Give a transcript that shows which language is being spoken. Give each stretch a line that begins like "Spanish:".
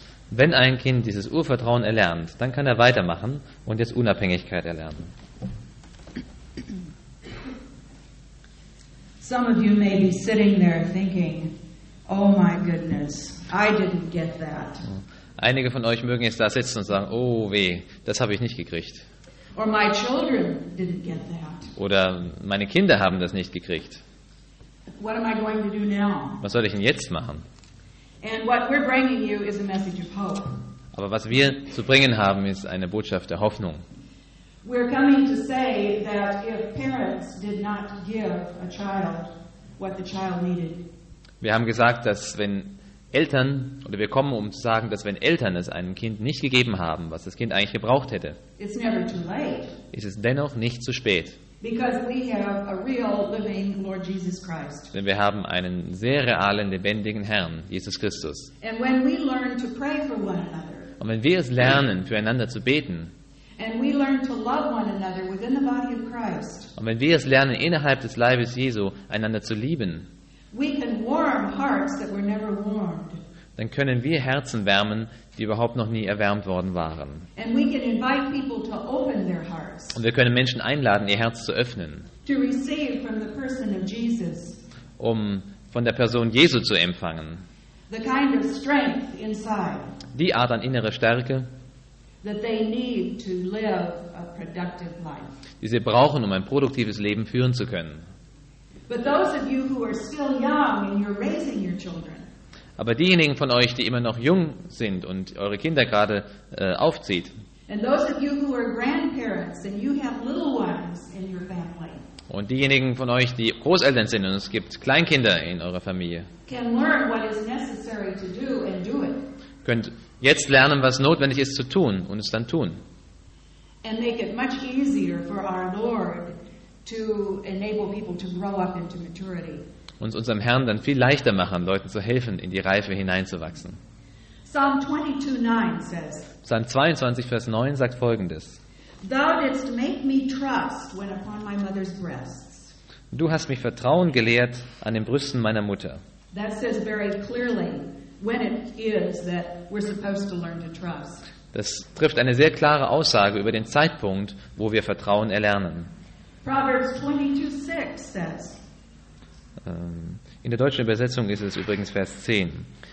German: Wenn ein Kind dieses Urvertrauen erlernt, dann kann er weitermachen und jetzt Unabhängigkeit erlernen.
English: Some of you may be sitting there thinking, oh my goodness, I didn't get that.
German: Einige von euch mögen jetzt da sitzen und sagen, oh weh, das habe ich nicht gekriegt.
English: Or my children didn't get that.
German: Oder meine Kinder haben das nicht gekriegt.
English: What am I going to do now?
German: Was soll ich denn jetzt machen?
English: And what we're bringing you is a message of hope.
German: Aber was wir zu bringen haben, ist eine Botschaft der Hoffnung.
English: We're coming to say that if parents did not give a child what the child needed.
German: Wir haben gesagt, dass wenn Eltern, oder wir kommen, um zu sagen, dass wenn Eltern es einem Kind nicht gegeben haben, was das Kind eigentlich gebraucht hätte,
English: it's never too late.
German: Ist es dennoch nicht zu spät.
English: Because we have a real living Lord Jesus Christ.
German: Denn wir haben einen sehr realen, lebendigen Herrn, Jesus Christus.
English: And when we learn to pray for one another,
German: und wenn wir es lernen, füreinander zu beten,
English: and we learn to love one another within the body of Christ,
German: und wenn wir es lernen, innerhalb des Leibes Jesu einander zu lieben,
English: we can warm hearts that were never warmed.
German: Dann können wir Herzen wärmen, die überhaupt noch nie erwärmt worden waren.
English: And we can invite people to open their hearts.
German: Und wir können Menschen einladen, ihr Herz zu öffnen,
English: to receive from the person of Jesus.
German: Um von der Person Jesu zu empfangen.
English: The kind of strength inside.
German: Die Art an innerer Stärke,
English: that they need to live a productive life.
German: Die sie brauchen, um ein produktives Leben führen zu können.
English: But those of you who are still young and you're raising your children.
German: Aber diejenigen von euch, die immer noch jung sind und eure Kinder gerade aufzieht.
English: And those of you who are grandparents and you have little ones in your family.
German: Und diejenigen von euch, die Großeltern sind und es gibt Kleinkinder in eurer Familie.
English: Can learn what is necessary to do and do it.
German: Könnt jetzt lernen, was notwendig ist zu tun und es dann tun.
English: And make it much easier for our Lord to enable people to grow up into maturity.
German: Uns unserem Herrn dann viel leichter machen, Leuten zu helfen, in die Reife hineinzuwachsen.
English: Psalm 22:9 says.
German: Psalm 22 Vers 9 sagt folgendes.
English: Thou didst make me trust when upon my mother's breasts.
German: Du hast mich Vertrauen gelehrt an den Brüsten meiner Mutter.
English: That says very clearly when it is that we're supposed to learn to trust.
German: Das trifft eine sehr klare Aussage über den Zeitpunkt, wo wir Vertrauen erlernen.
English: Proverbs 22:6 says.
German: In der deutschen Übersetzung ist es übrigens Vers 10.